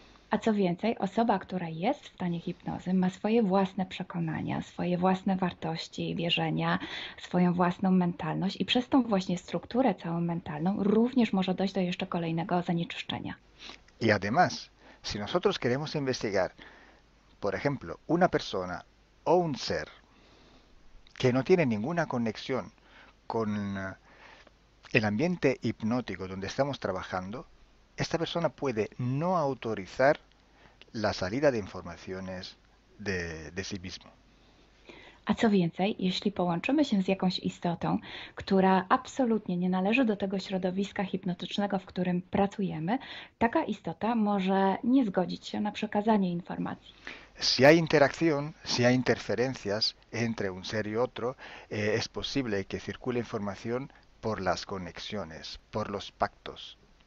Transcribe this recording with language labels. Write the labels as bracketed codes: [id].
[pl] A co więcej, osoba, która jest w stanie hipnozy, ma swoje własne przekonania, swoje własne wartości i wierzenia, swoją własną mentalność i przez tą właśnie strukturę całą mentalną również może dojść do jeszcze kolejnego zanieczyszczenia. [es] Y además, si nosotros queremos investigar, por ejemplo, una persona o un ser que no tiene ninguna conexión con el ambiente hipnótico donde estamos trabajando, esta persona puede no autorizar la salida de informaciones de sí mismo. [pl] A co więcej, jeśli połączymy się z jakąś istotą, która absolutnie nie należy do tego środowiska hipnotycznego, w którym pracujemy, taka istota może nie zgodzić się na przekazanie informacji. [es] Si hay interacción, si hay interferencias entre un ser y otro, es posible que circule información por las conexiones, por los pactos.